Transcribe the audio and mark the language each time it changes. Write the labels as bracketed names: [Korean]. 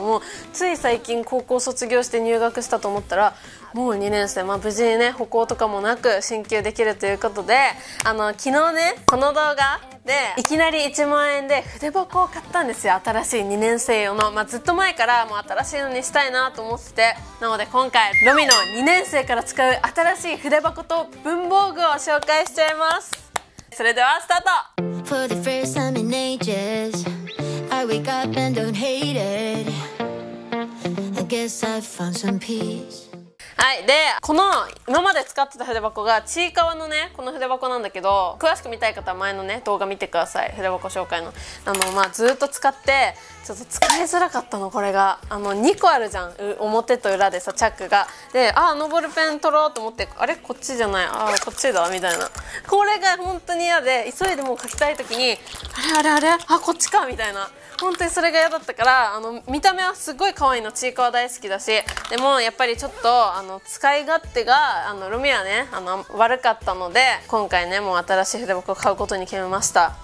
[Japanese] もうつい最近高校卒業して入学したと思ったらもう2年生、まあ、無事にね、歩行とかもなく進級できるということで、昨日ね、この動画でいきなり1万円で筆箱を買ったんですよ。新しい2年生用の、まあ、ずっと前からもう新しいのにしたいなと思ってて、なので今回ロミの2年生から使う新しい筆箱と文房具を紹介しちゃいます。それではスタート。 [English] For the first time in ages I wake up and don't hate it I guess I've found some peace。 [Japanese] はい、でこの今まで使ってた筆箱がちいかわのね、この筆箱なんだけど、詳しく見たい方は前のね動画見てください。筆箱紹介の、まあずっと使ってちょっと使いづらかったの。これが2個あるじゃん、表と裏でさ、チャックが。で、ノボルペン取ろうと思って、あれこっちじゃない、こっちだみたいな、これが本当に嫌で、急いでもう書きたい時にあれこっちかみたいな、本当にそれが嫌だったから、見た目はすごい可愛いの、ちいかわ大好きだし、でもやっぱりちょっと使い勝手がロミはね悪かったので、今回ねもう新しい筆箱を買うことに決めました。